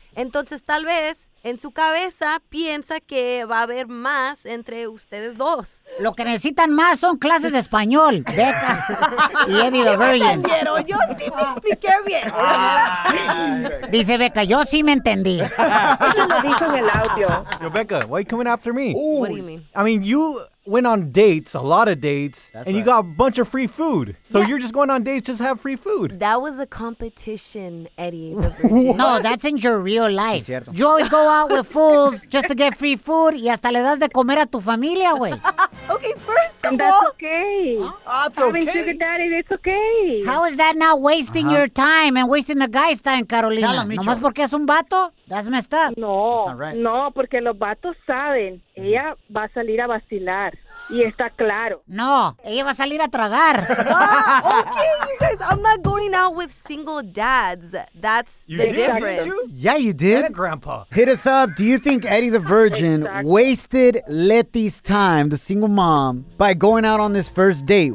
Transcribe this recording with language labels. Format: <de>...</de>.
<es>Entonces, tal vez, en su cabeza, piensa que va a haber más entre ustedes dos. Lo que necesitan más son clases de español, Becca y Eddie the Virgin. ¿Me entendieron? Yo sí me expliqué bien. Dice Becca, yo sí me entendí. Eso lo dijo en el audio.</es> <en>Yo, Becca, why are you coming after me? Ooh. What do you mean? I mean, you went on dates, a lot of dates, and you got a bunch of free food. So you're just going on dates just to have free food. That was a competition, Eddie. No, that's in your real life. You always go out with fools just to get free food</en> <es>y hasta le das de comer a tu familia, güey.</es> <en>Okay, first of all. That's okay. That's okay. Having sugar daddy, it's okay. How is that not wasting your time and wasting the guy's time, Carolina?</en> <es>Nomás porque es un vato?</es> <en>That's messed up.</en> <es>No, porque los vatos saben. Ella va a salir a vacilar. Y está claro. No, ella va a salir a tragar.</es> <en>Okay, you guys, I'm not going out with single dads. That's difference. You did. And a grandpa. Hit us up. Do you think Eddie the Virgin wasted Letty's time, the single mom, by going out on this first date?</en>